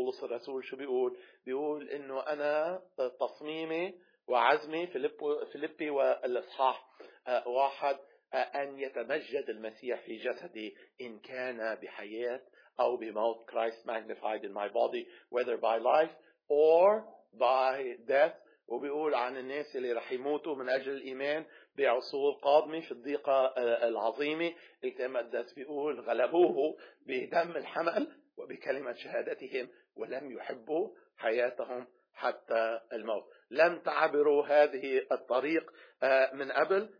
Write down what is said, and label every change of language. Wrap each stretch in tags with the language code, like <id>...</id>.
<ar>بولس الرسول شو بيقول؟ بيقول أنه أنا تصميمي وعزمي فيليبي والإصحاح واحد أن يتمجد المسيح في جسدي إن كان بحياة أو بموت.</ar> <en>Christ magnified in my body whether by life or by death.</en> <ar>وبيقول عن الناس اللي رح يموتوا من أجل الإيمان بعصور قادمة في الضيقة العظيمة، التمدس بيقول غلبوه بدم الحمل وبكلمة شهادتهم ولم يحبوا حياتهم حتى الموت. لم تعبروا هذه الطريق من قبل.</ar>